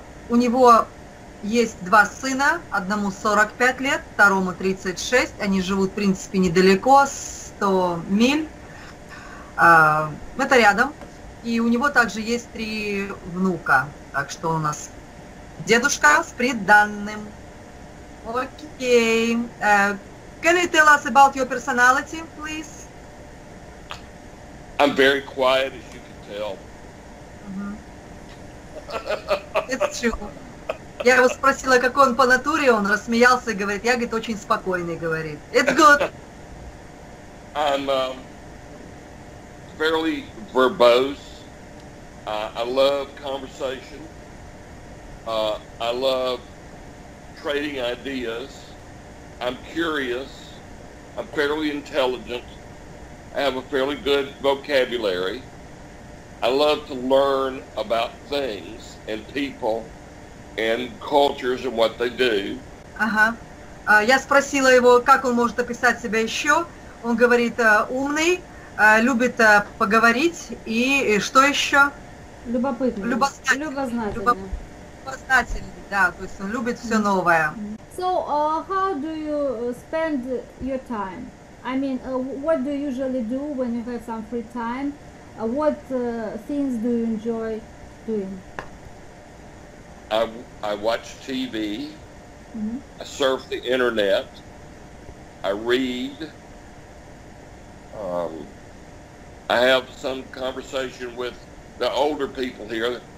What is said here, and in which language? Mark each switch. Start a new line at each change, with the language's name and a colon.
Russian: У него есть 2 сына, одному 45 лет, второму 36. Они живут, в принципе, недалеко, 100 миль. Это рядом. И у него также есть 3 внука. Так что у нас дедушка с приданным. Окей.
English: Can you tell us about your personality, please? I'm very quiet, as you can tell. Uh-huh. It's true.
Russian: Я его спросила, какой он по натуре, он рассмеялся и говорит, я, говорит, очень спокойный, говорит.
English: It's good. I'm fairly verbose. I love conversation. I love trading ideas. I'm curious. I'm fairly intelligent. I have a fairly good vocabulary. I love to learn about things and people. And cultures and what they do.
Russian: Ага. Я спросила его, как он может описать себя еще. Он говорит, умный, любит поговорить и что еще? Любопытный. Любознательный, да, то есть он любит все новое.
English: So, how do you spend your time? I mean, what do you usually do when you have some free time? What things do you enjoy doing? I watch TV, mm-hmm. I surf the internet, I read, I have some conversation with the older people here.